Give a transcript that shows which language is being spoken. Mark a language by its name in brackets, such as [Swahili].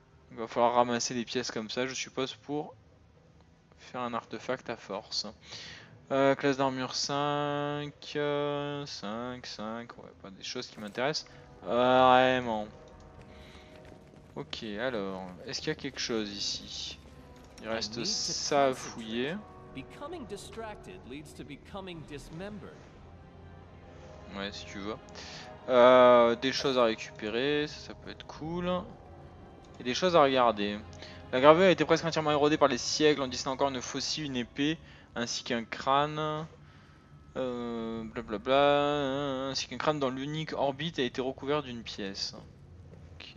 [French] Il va falloir ramasser des pièces comme ça, je suppose, pour faire un artefact à force. Classe d'armure 5, 5, 5, ouais, pas des choses qui m'intéressent. Vraiment. Ok, alors, est-ce qu'il y a quelque chose ici? Il reste ça à fouiller. [English] Becoming distracted leads to becoming dismembered. [French] Ouais, si tu veux. Des choses à récupérer, ça peut être cool. Et des choses à regarder. La gravure a été presque entièrement érodée par les siècles, on distingue encore une faucille, une épée, ainsi qu'un crâne. Blablabla. Ainsi qu'un crâne dont l'unique orbite a été recouvert d'une pièce. Ok.